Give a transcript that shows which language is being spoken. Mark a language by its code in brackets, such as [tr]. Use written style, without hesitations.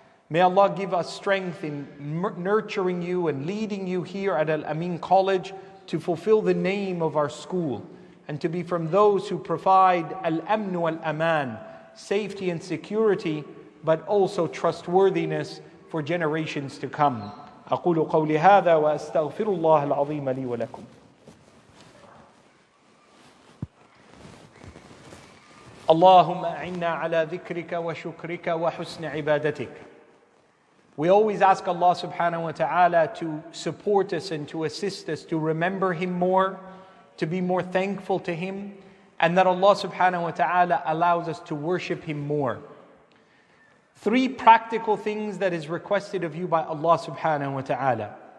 [en] May Allah give us strength in nurturing you and leading you here at Al Amin College to fulfill the name of our school and to be from those who provide Al Amn wal Aman, safety and security, but also trustworthiness for generations to come. [ar] أقول قولي هذا وأستغفر الله العظيم لي ولكم. اللهم أعنا على ذكرك وشكرك وحسن عبادتك. [en] We always ask Allah subhanahu wa ta'ala to support us and to assist us to remember Him more, to be more thankful to Him, and that Allah subhanahu wa ta'ala allows us to worship Him more. Three practical things that is requested of you by Allah subhanahu wa ta'ala.